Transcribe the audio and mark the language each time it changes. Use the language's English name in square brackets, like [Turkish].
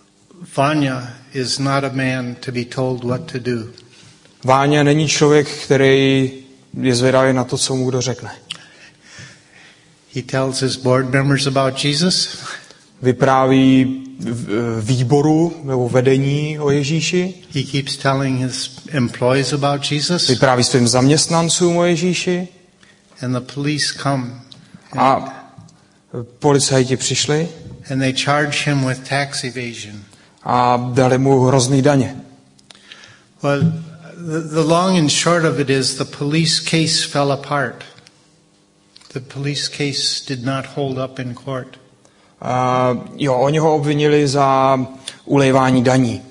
[English] Vanya is not a man to be told what to do. [Czech] Vanya není člověk, který je zvědavý na to, co mu kdo řekne. [English] He tells his board members about Jesus. [Czech] Vypráví výboru nebo vedení o Ježíši. [English] He keeps telling his employees about Jesus. [Czech] Vypráví svým zaměstnancům o Ježíši. [English] And the police come. [Czech] A policajti přišli. [English] And they charge him with tax evasion. [Czech] A dali mu hrozný daně. [English] Well, the long and short of it is the police case fell apart. The police case did not hold up in court. [Czech] Jo, oni ho obvinili za ulévání daní.